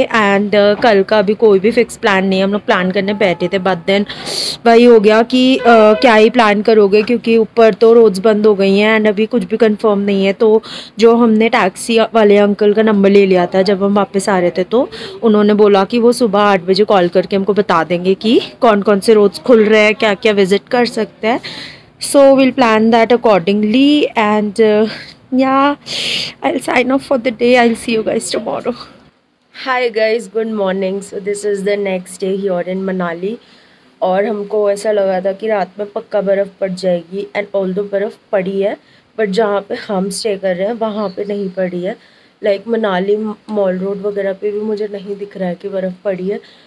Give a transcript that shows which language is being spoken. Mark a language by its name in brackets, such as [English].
[Hindi] And कल का अभी कोई भी फिक्स प्लान नहीं है, हम लोग प्लान करने बैठे थे बट देन वही हो गया कि क्या ही प्लान करोगे, क्योंकि ऊपर तो रोड्स बंद हो गई हैं एंड अभी कुछ भी कन्फर्म नहीं है। तो जो हमने टैक्सी वाले अंकल का नंबर ले लिया था जब हम वापस आ रहे थे, तो उन्होंने बोला कि वो सुबह 8 बजे कॉल करके हमको बता देंगे कि कौन कौन से रोड्स खुल रहे हैं, क्या क्या विजिट कर सकते हैं। [English] So we'll plan that accordingly and yeah I'll sign off for the day, I'll see you guys tomorrow. Hi guys, good morning. So this is the next day here in Manali [Hindi] और हमको ऐसा लगा था कि रात में पक्का बर्फ़ पड़ जाएगी एंड ऑल दो बर्फ़ पड़ी है, बट जहाँ पर हम स्टे कर रहे हैं वहाँ पर नहीं पड़ी है। लाइक मनाली मॉल रोड वगैरह पर भी मुझे नहीं दिख रहा है कि बर्फ़ पड़ी है।